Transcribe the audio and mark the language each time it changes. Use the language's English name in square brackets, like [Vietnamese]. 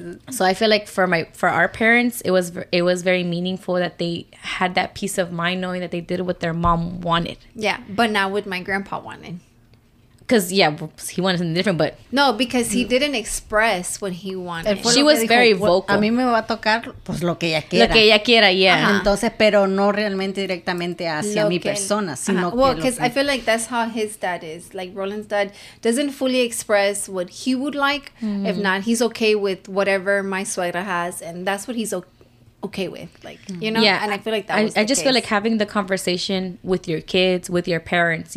[English] So I feel like for my, for our parents, it was very meaningful that they had that peace of mind knowing that they did what their mom wanted. Yeah, but not what my grandpa wanted. Because he wanted something different, but no, because he didn't express what he wanted. She was very vocal. [Spanish] A mí me va a tocar pues lo que ella quiera. Lo que ella quiera, yeah. Uh-huh. Entonces, pero no realmente directamente hacia mi persona, sino [English] que well, because I feel like that's how his dad is. Like Roland's dad doesn't fully express what he would like. Mm-hmm. If not, he's okay with whatever my suegra has, and that's what he's okay with. Like mm-hmm. you know, yeah. And I feel like that. I just feel like having the conversation with your kids, with your parents.